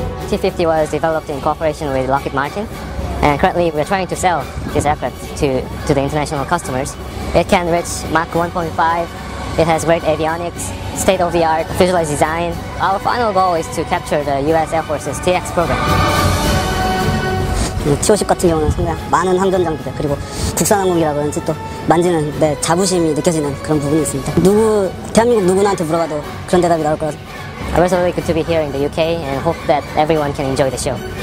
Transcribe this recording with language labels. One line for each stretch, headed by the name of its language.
English: T-50 was developed in cooperation with Lockheed Martin, and currently we're trying to sell this aircraft to the international customers. It can reach Mach 1.5, it has great avionics, state-of-the-art fuselage design. Our final goal is to capture the U.S. Air Force's T-X program.
Korean: T-50 같은 경우는 상당히 많은 항전 장비들, 그리고 국산 항공기라 그런지 또 만지는 내 자부심이 느껴지는 그런 부분이 있습니다. 대한민국 누구나한테 물어봐도 그런 대답이 나올 거라서
English: I'm also really good to be here in the UK and hope that everyone can enjoy the show.